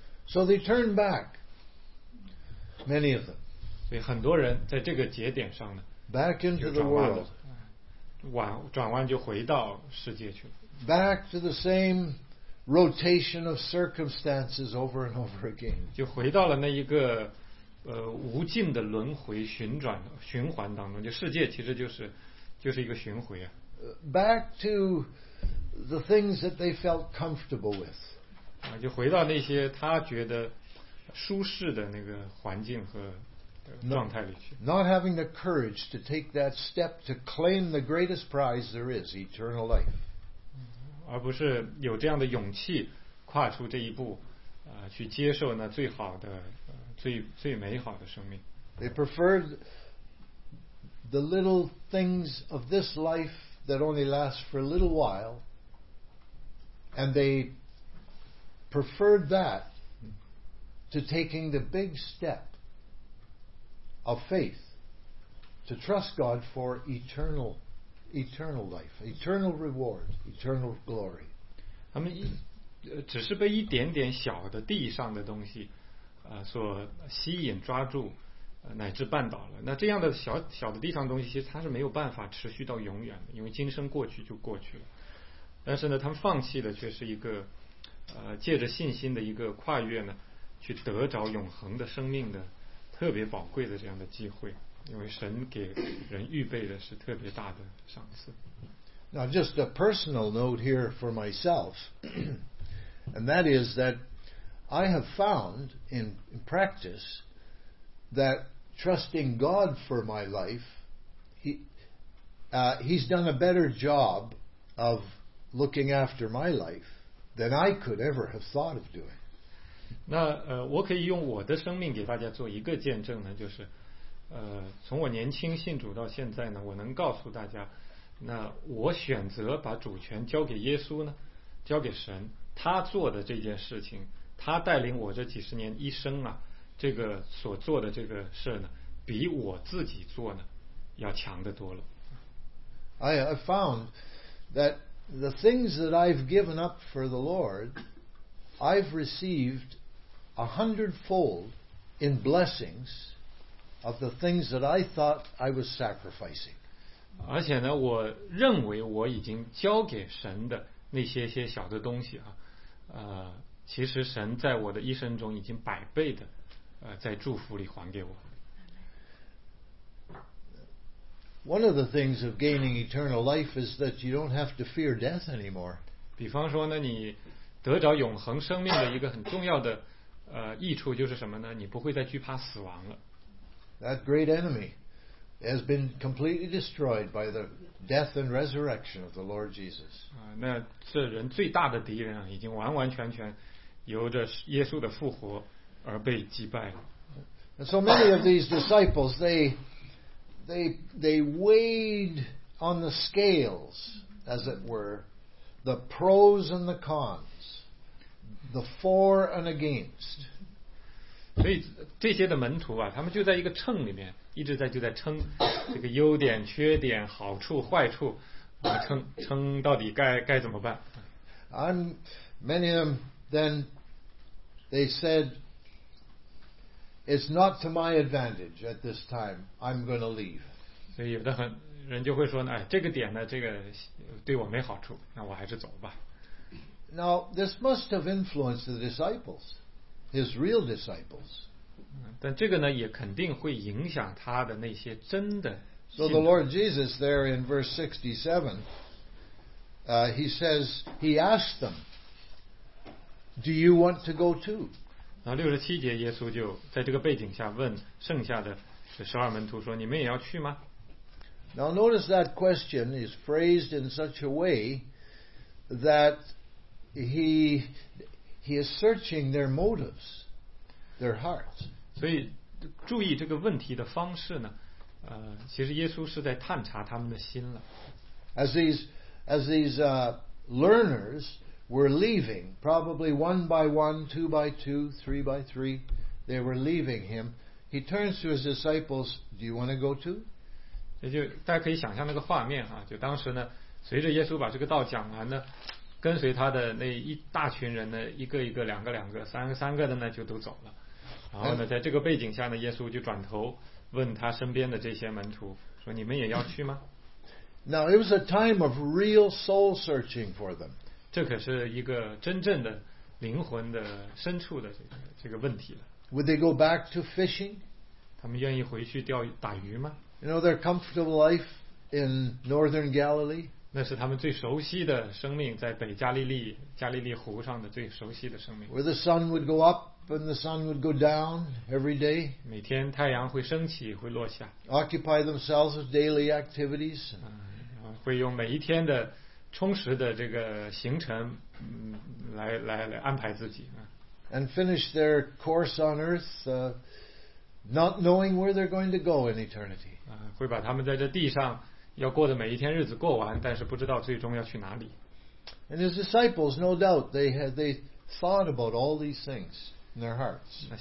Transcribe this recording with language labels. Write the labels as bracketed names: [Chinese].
[English] So they turned back, many of them. [Chinese] 所以很多人在这个节点上呢， [English] back into the world, [Chinese] 转弯就回到世界去了。 [English] Back to the same rotation of circumstances over and over again. [Chinese] 就回到了那一个。无尽的轮回循环当中，就世界其实就是一个循回啊。 [English] Back to the things that they felt comfortable with. [Chinese] 就回到那些他觉得舒适的那个环境和状态里去。 [English] Not having the courage to take that step to claim the greatest prize there is, eternal life. [Chinese] 而不是有这样的勇气跨出这一步，去接受那最好的。最美好的生命。 [English] They preferred the little things of this life that only lasts for a little while, and they preferred that to taking the big step of faith to trust God for eternal life, eternal reward, eternal glory. [Chinese] 他们只是被一点点小的地上的东西。所吸引抓住乃至绊倒了，那这样的小小的地上东西其实它是没有办法持续到永远的，因为今生过去就过去了。但是呢，他们放弃的却是一个借着信心的一个跨越呢，去得着永恒的生命的特别宝贵的这样的机会，因为神给人预备的是特别大的赏赐。 [English] Now just a personal note here for myself, and that is thatI have found in practice that trusting God for my life, He's done a better job of looking after my life than I could ever have thought of doing. [Chinese] 那我可以用我的生命给大家做一个见证呢，就是从我年轻信主到现在呢，我能告诉大家，那我选择把主权交给耶稣呢，交给神，他做的这件事情。他带领我这几十年一生啊，这个所做的这个事呢，比我自己做呢要强得多了。 [English] I found that the things that I've given up for the Lord I've received 100-fold in blessings of the things that I thought I was sacrificing. [Chinese] 而且呢，我认为我已经交给神的那些些小的东西啊，其实神在我的一生中已经百倍的，在祝福里还给我。 [English] One of the things of gaining eternal life is that you don't have to fear death anymore. [Chinese] 比方说呢，你得着永恒生命的一个很重要的益处就是什么呢？你不会再惧怕死亡了。 [English] That great enemy has been completely destroyed by the death and resurrection of the Lord Jesus. [Chinese] 那这人最大的敌人已经完完全全由着耶稣的复活而被击败了。 [English] And so many of these disciples, they weighed on the scales, as it were, the pros and the cons. The for and against. [Chinese] 所以这些的门徒啊，他们就在一个秤里面，一直在称这个优点、缺点、好处、坏处，称到底该怎么办 [English] ？And many of them then they said, "It's not to my advantage at this time. I'm going to leave." [Chinese] 所以有的很人就会说呢，哎，这个点呢，这个对我没好处，那我还是走吧。 [English] Now, this must have influenced the disciples, his real disciples. [Chinese] 但这个呢，也肯定会影响他的那些真的信 [English] 徒。So the Lord Jesus there in verse 67, he says, he asked them, do you want to go too? [Chinese] 然后67节耶稣就在这个背景下问剩下的十二门徒说，你们也要去吗？ [English] Now notice that question is phrased in such a way that He is searching their motives, their hearts. [Chinese] 所以注意这个问题的方式呢，其实耶稣是在探查他们的心了。 [English] As these learners were leaving, probably one by one, two by two, three by three, they were leaving him. He turns to his disciples, "Do you want to go too?" [Chinese] 这就大家可以想象那个画面哈，就当时呢，随着耶稣把这个道讲完呢。跟随他的那一大群人呢，一个一个，两个两个，三个三个的呢，就都走了。然后呢，在这个背景下呢，耶稣就转头问他身边的这些门徒说：“你们也要去吗？” [English] Now it was a time of real soul searching for them. [Chinese] 这可是一个真正的灵魂的深处的这个问题了。 [English] Would they go back to fishing? [Chinese] 他们愿意回去钓鱼打鱼吗 [English] ？You know their comfortable life in northern Galilee. [Chinese] 那是他们最熟悉的生命，在北加利利湖上的最熟悉的生命。 [English] Where the sun would go up and the sun would go down every day. [Chinese] 每天太阳会升起，会落下。 [English] Occupy themselves with daily activities. [Chinese] 会用每一天的充实的这个行程，来安排自己。 [English] And finish their course on earth, not knowing where they're going to go in eternity. [Chinese] 会把他们在这地上。要过的每一天日子过完，但是不知道最终要去哪里。 [English] And his disciples, no doubt, they thought about all these things in their hearts.